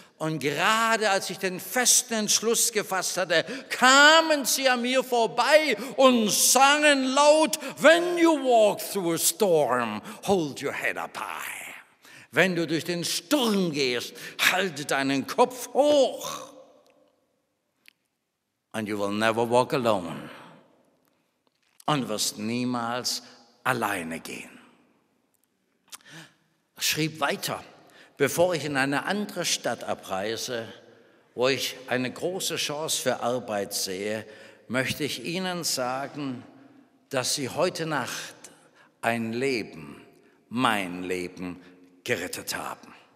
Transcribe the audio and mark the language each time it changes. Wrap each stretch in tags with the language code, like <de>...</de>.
<de>Und gerade als ich den festen Entschluss gefasst hatte, kamen sie an mir vorbei und sangen laut,</de> <en>When you walk through a storm, hold your head up high.</en> <de>Wenn du durch den Sturm gehst, halte deinen Kopf hoch.</de> <en>And you will never walk alone.</en> <de>Und wirst niemals alleine gehen. Ich schrieb weiter, bevor ich in eine andere Stadt abreise, wo ich eine große Chance für Arbeit sehe, möchte ich Ihnen sagen, dass Sie heute Nacht ein Leben, mein Leben, gerettet haben.</de>